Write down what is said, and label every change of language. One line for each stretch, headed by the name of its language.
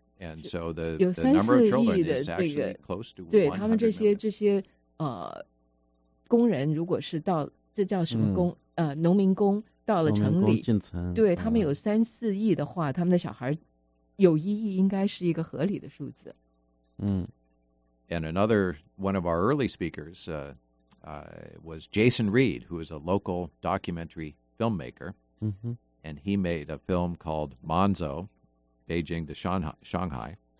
English: And so the number of children is actually close to 100 million.
Chinese: 对，他们这些工人，如果是到，这叫什么工？农民工到了城里，农民工进城，对，他们有三四亿的话，他们的小孩有一亿，应该是一个合理的数字。嗯。
English: And another one of our early speakers, was Jason Reed, who is a local documentary filmmaker, and he made a film called Manzo, Beijing to Shanghai.